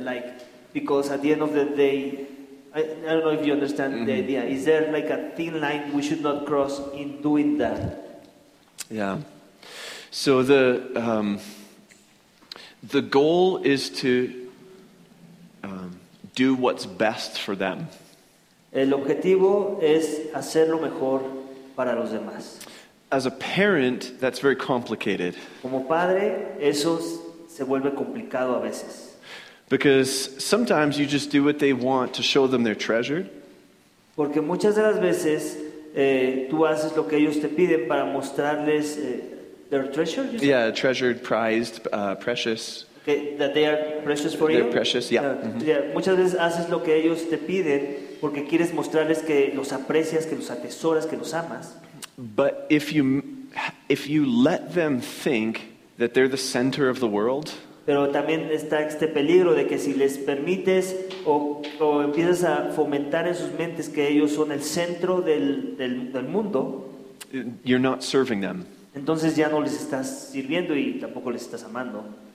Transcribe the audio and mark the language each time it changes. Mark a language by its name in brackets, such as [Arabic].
[English] Like, because at the end of the day, I don't know if you understand mm-hmm. the idea. Is there like a thin line we should not cross in doing that? Yeah. So the goal is to do what's best for them. [Spanish] El objetivo es hacer lo mejor para los demás. [English] As a parent, that's very complicated. [Spanish] Como padre, eso se vuelve complicado a veces. [English] Because sometimes you just do what they want to show them they're treasured. [Spanish] Porque muchas de las veces tú haces lo que ellos te piden para mostrarles [English] their treasure. Yeah, treasured, prized, precious. Okay, that they are precious for they're you. They're precious. Yeah. Mm-hmm. Yeah. [Spanish] Muchas veces haces lo que ellos te piden porque quieres mostrarles que los aprecias, que los atesoras, que los amas. [English] But if you let them think that they're the center of the world. [Spanish] Pero también está este peligro de que si les permites o empiezas a fomentar en sus mentes que ellos son el centro del mundo. [English] You're not serving them. [Spanish] Entonces ya no les estás sirviendo y tampoco les estás amando.